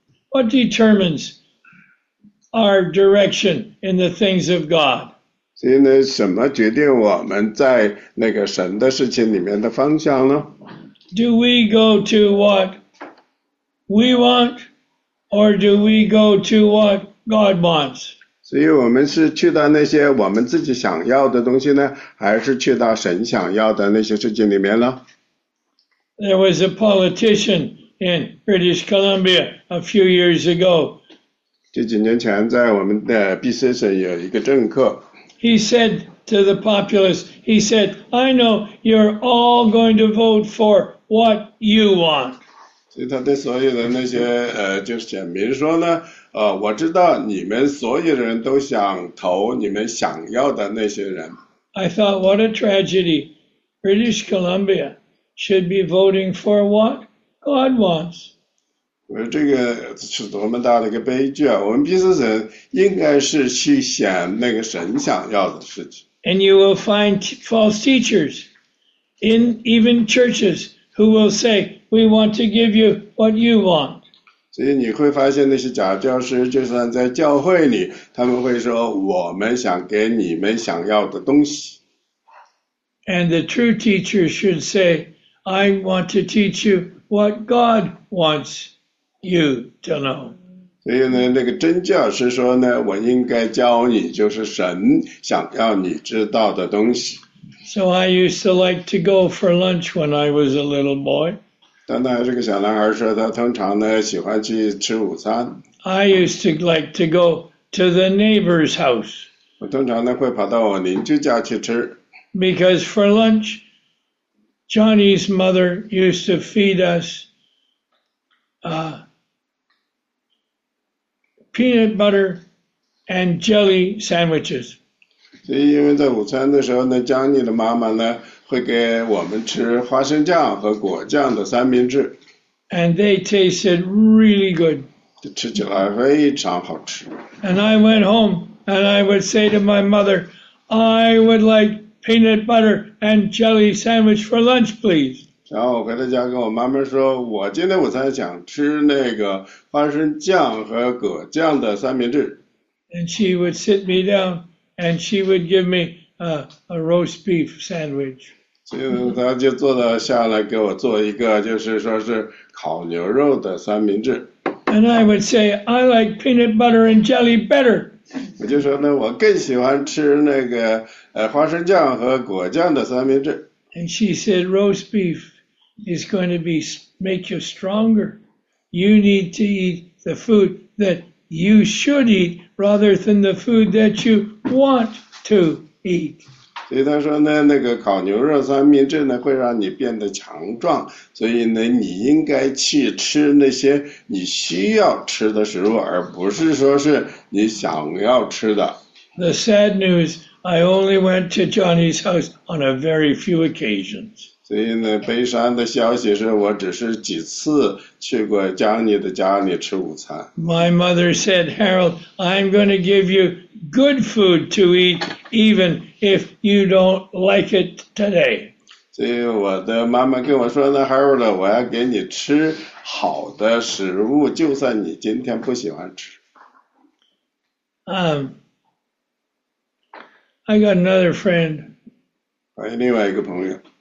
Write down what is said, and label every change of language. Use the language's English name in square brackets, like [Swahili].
[English] What determines our direction in the things of God? [Chinese] 所以呢，什么决定我们在那个神的事情里面的方向呢？ [English] Do we go to what we want, or do we go to what God wants? [Chinese] 所以我们是去到那些我们自己想要的东西呢，还是去到神想要的那些事情里面呢？ [English] There was a politician in British Columbia a few years ago. [Chinese] 就几年前，在我们的 BC 省有一个政客。 [English] He said to the populace, he said, I know you're all going to vote for what you want. [Chinese] 所以他对所有的那些就是选民说呢，我知道你们所有的人都想投你们想要的那些人。 [English] I thought, what a tragedy. British Columbia should be voting for what God wants. [Chinese] 我说这个是多么大的一个悲剧啊！我们BC省应该是去选那个神想要的事情。 [English] And you will find false teachers in even churches who will say, "We want to give you what you want." [Chinese] 所以你会发现那些假教师，就算在教会里，他们会说，我们想给你们想要的东西。 [English] And the true teacher should say, "I want to teach you what God wants." You to know. [Chinese] 所以呢，那个真教师说呢，我应该教你就是神想要你知道的东西。 [English] So I used to like to go for lunch when I was a little boy. [Chinese] 当他是个小男孩说，他通常呢喜欢去吃午餐。 [English] I used to like to go to the neighbor's house. [Chinese] 我通常呢会跑到我邻居家去吃。 [English] Because for lunch, Johnny's mother used to feed us. Peanut butter and jelly sandwiches. [Chinese] 所以因为在午餐的时候呢，江妮的妈妈呢会给我们吃花生酱和果酱的三明治。 [English] And they tasted really good. [Chinese] 吃起来非常好吃。 [English] And I went home and I would say to my mother, I would like peanut butter and jelly sandwich for lunch, please. [Chinese] 然后我回到家跟我妈妈说，我今天午餐想吃那个花生酱和果酱的三明治。 [English] And she would sit me down and she would give me a roast beef sandwich. [Chinese] 所以她就坐到下来给我做一个就是说是烤牛肉的三明治。 [English] And I would say, I like peanut butter and jelly better. [Chinese] 我就说呢，我更喜欢吃那个花生酱和果酱的三明治。 [English] And she said, roast beef is going to be, make you stronger. You need to eat the food that you should eat rather than the food that you want to eat. [Chinese] 所以他说呢，那个烤牛肉三明治呢会让你变得强壮，所以呢你应该去吃那些你需要吃的食物，而不是说是你想要吃的。 [English] The sad news, I only went to Johnny's house on a very few occasions. [Chinese] 所以呢，悲伤的消息是我只是几次去过江妮的家里吃午餐。 [English] My mother said, Harold, I'm going to give you good food to eat even if you don't like it today. [Chinese] 所以我的妈妈跟我说呢， Harold, 我要给你吃好的食物，就算你今天不喜欢吃。 [English] I got another friend. [Chinese] 还有另外一个朋友。